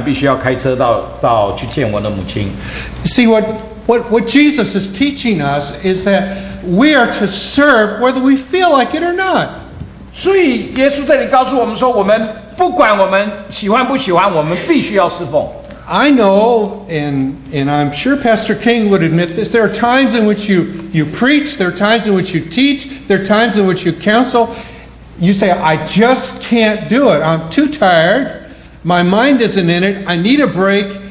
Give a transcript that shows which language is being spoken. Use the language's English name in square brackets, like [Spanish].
[Chinese] 所以因为我是他的儿子，所以我等一下子1:30，等一下我仍然必须要开车到去见我的母亲。 [English] See, what Jesus is teaching us is that we are to serve whether we feel like it or not. [Chinese] 所以耶稣这里告诉我们说，我们不管我们喜欢不喜欢，我们必须要侍奉。 [English] I know, and I'm sure Pastor King would admit this, there are times in which you preach, there are times in which you teach, there are times in which you counsel. You say, "I just can't do it. I'm too tired. My mind isn't in it. I need a break."